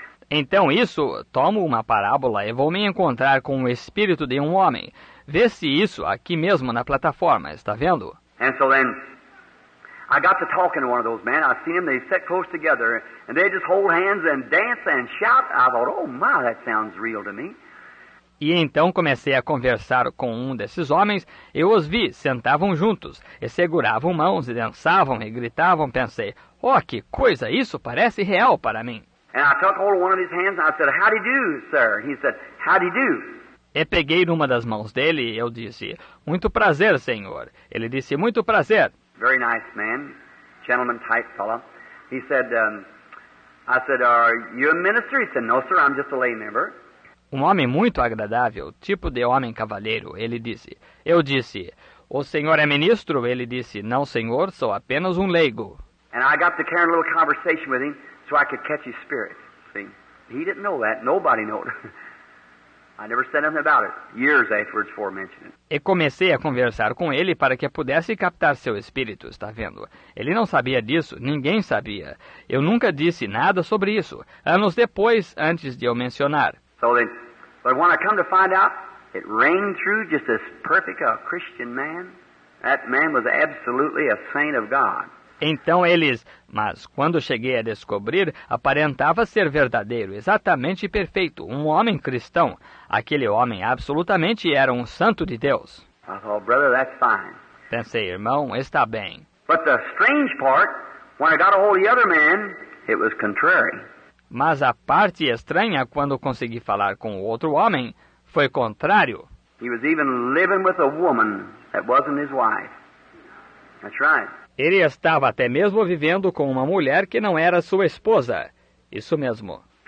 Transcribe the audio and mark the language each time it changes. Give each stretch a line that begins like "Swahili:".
Portuguese: Então isso, tomo uma parábola e vou me encontrar com o espírito de um homem. Vê-se isso aqui mesmo na plataforma, está vendo?
English: And so then, I got to talking to one of those men. I seen them, they sat close together, and they just hold hands and dance and shout. I thought, oh my, that sounds real to me.
Portuguese: E então comecei a conversar com um desses homens, eu os vi, sentavam juntos, e seguravam mãos, e dançavam, e gritavam, pensei, oh, que coisa, isso parece real para mim.
English: And I took hold of one of his hands, and I said, how do you do, sir? He said, how do you do?
Portuguese: E peguei numa das mãos dele, e eu disse, muito prazer, senhor. Ele disse, muito prazer.
English: Very nice man, gentleman type fellow. He said, I said, are you a minister? He said, no, sir, I'm just a lay member.
Portuguese: Um homem muito agradável, tipo de homem cavalheiro, ele disse. Eu disse, o senhor é ministro? Ele disse, não, senhor, sou apenas um leigo.
English: And I got to carry a little conversation with him so I could catch his spirit. See, he didn't know that. Nobody knew. I never said anything about it. Years afterwards, before mentioning it.
Portuguese: E comecei a conversar com ele para que pudesse captar seu espírito, está vendo? Ele não sabia disso, ninguém sabia. Eu nunca disse nada sobre isso. Anos depois, antes de eu mencionar.
English: So then, but when I come to find out, it rained through just as perfect a Christian man. That man was absolutely a saint of God.
Portuguese: Então eles, mas quando cheguei a descobrir, aparentava ser verdadeiro, exatamente perfeito, um homem cristão. Aquele homem absolutamente era um santo de Deus.
English: I thought, brother, that's fine.
Portuguese: Pensei, irmão, está bem.
English: But the strange part, when I got a hold of the other man, it was contrary.
Portuguese: Mas a parte estranha, quando consegui falar com o outro homem, foi contrário.
English: He was even living with a woman that wasn't his wife. That's right.
Portuguese: Ele estava até mesmo vivendo com uma mulher que não era sua esposa. Isso mesmo.